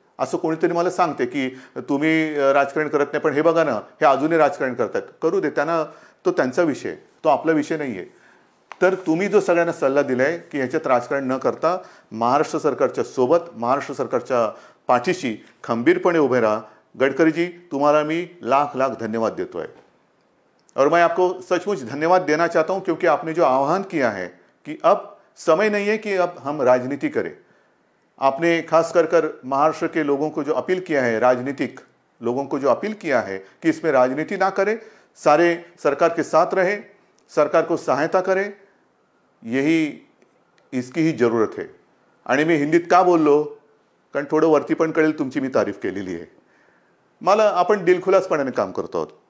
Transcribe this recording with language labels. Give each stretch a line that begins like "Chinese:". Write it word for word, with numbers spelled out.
Marathi: असं कोणीतरी मला सांगते की तुम्ही राजकारण करत नाही, पण हे बघा ना, हे अजूनही राजकारण करतात. करू दे त्यांना, तो त्यांचा विषय, तो आपला विषय नाही आहे. तर तुम्ही जो सगळ्यांना सल्ला दिला आहे की ह्याच्यात राजकारण न करता महाराष्ट्र सरकारच्या सोबत, महाराष्ट्र सरकारच्या पाठीशी खंबीरपणे उभे राहा.
Hindi: गडकरीजी, तुम्हारा मी लाख लाख धन्यवाद देता है और मैं आपको सचमुच धन्यवाद देना चाहता हूं, क्योंकि आपने जो आह्वान किया है कि अब समय नहीं है कि अब हम राजनीति करें. आपने खास कर कर महाराष्ट्र के लोगों को जो अपील किया है, राजनीतिक लोगों को जो अपील किया है कि इसमें राजनीति ना करें, सारे सरकार के साथ रहे, सरकार को सहायता करें, यही इसकी ही जरूरत है.
Marathi: आणि मी हिंदीत का बोललो, कारण थोडं वरती पण कळेल, तुमची मी तारीफ केलेली आहे. मला आपण दिलखुलासपणाने काम करतो आहोत.